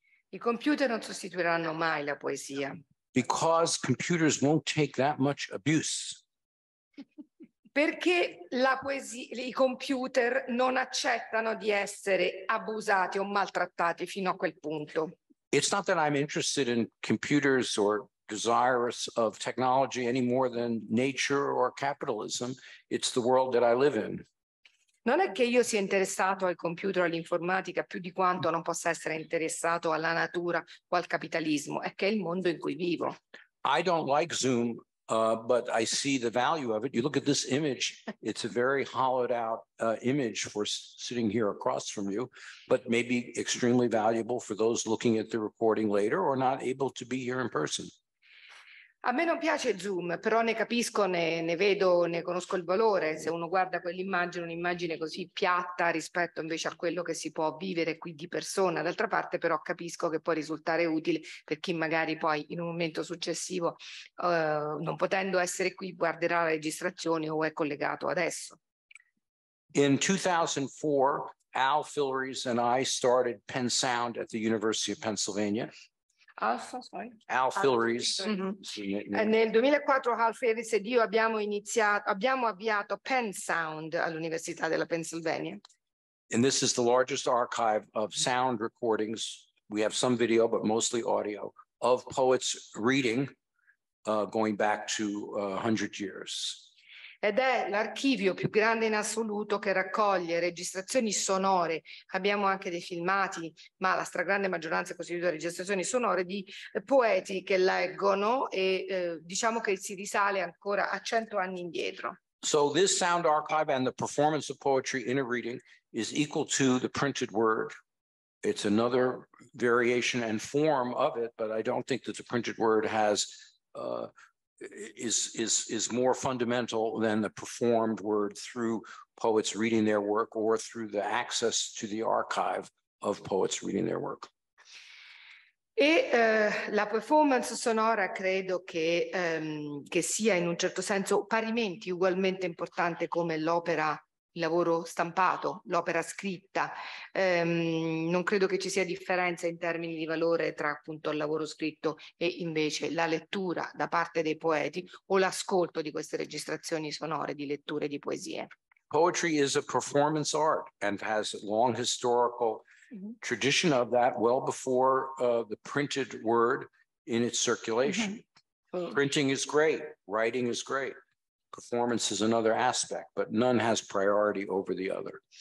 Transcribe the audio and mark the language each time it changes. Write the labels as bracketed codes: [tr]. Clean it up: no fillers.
[it] I computer non sostituiranno mai la poesia. [en] Because computers won't take that much abuse. [it] Perché i computer non accettano di essere abusati o maltrattati fino a quel punto. [en] It's not that I'm interested in computers or desirous of technology any more than nature or capitalism. It's the world that I live in. [it] Non è che io sia interessato al computer o all'informatica più di quanto non possa essere interessato alla natura o al capitalismo. È che è il mondo in cui vivo. [en] I don't like Zoom But I see the value of it. You look at this image, it's a very hollowed out image for sitting here across from you, but maybe extremely valuable for those looking at the recording later or not able to be here in person. [it] A me non piace Zoom, però ne capisco, ne vedo, ne conosco il valore. Se uno guarda quell'immagine, un'immagine così piatta rispetto invece a quello che si può vivere qui di persona. D'altra parte però capisco che può risultare utile per chi magari poi in un momento successivo, non potendo essere qui, guarderà la registrazione o è collegato adesso. [en] In 2004, Al Fillories and I started Penn Sound at the University of Pennsylvania. Al Fillories. Mm-hmm. [it] Nel 2004 Al Fillories ed io abbiamo avviato Penn Sound all'Università della Pennsylvania. [en] And this is the largest archive of sound recordings. We have some video, but mostly audio of poets reading, going back to 100 years. [it] Ed è l'archivio più grande in assoluto che raccoglie registrazioni sonore. Abbiamo anche dei filmati, ma la stragrande maggioranza è costituita da registrazioni sonore di poeti che leggono e diciamo che si risale ancora a 100 anni indietro. [en] So this sound archive and the performance of poetry in a reading is equal to the printed word. It's another variation and form of it, but I don't think that the printed word has... is more fundamental than the performed word through poets reading their work or through the access to the archive of poets reading their work. [it] E la performance sonora credo che sia in un certo senso parimenti ugualmente importante come l'opera, il lavoro stampato, l'opera scritta. Non credo che ci sia differenza in termini di valore tra appunto il lavoro scritto e invece la lettura da parte dei poeti o l'ascolto di queste registrazioni sonore di letture di poesie. [en] Poetry is a performance art and has a long historical tradition of that well before the printed word in its circulation. Printing is great, writing is great. Performance is another aspect, but none has priority over the other.